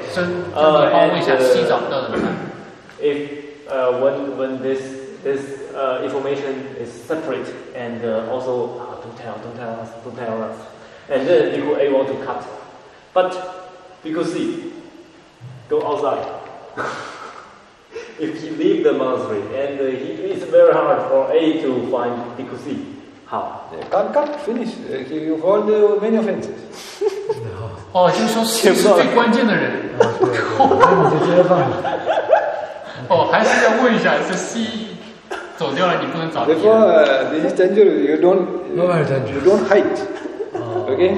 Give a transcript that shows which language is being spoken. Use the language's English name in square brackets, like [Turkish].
[Chinese] 真帮我一下 C 找不到怎么办 [English] if when this information is separate and also don't tell us and then you go A want to cut but because C go outside. If he leave the monastery, and it's very hard for A to find Bhikkhu C. How? Cut, finish. You hold many offenses. [Chinese] 哦，就是说 C 是最关键的人。那你就接着放。哦，还是要问一下，是 C 走掉了，你不能找 D。 [English] Therefore, this is dangerous. You don't. No, you don't hide. Okay.